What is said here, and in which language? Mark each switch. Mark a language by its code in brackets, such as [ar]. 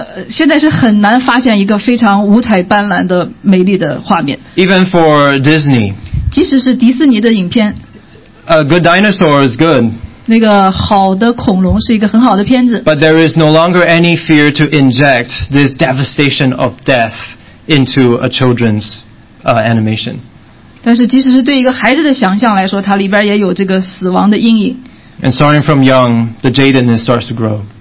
[zh] 现在是很难发现一个非常五彩斑斓的美丽的画面。 [en] Even for Disney, [zh] 即使是迪士尼的影片。 [en] A good dinosaur is good. [zh] 那个好的恐龙是一个很好的片子。 [en] But there is no longer any fear to inject this devastation of death into a children's animation. [zh] 但是即使是对一个孩子的想象来说，它里边也有这个死亡的阴影。 [en] And starting from young, the jadedness starts to grow.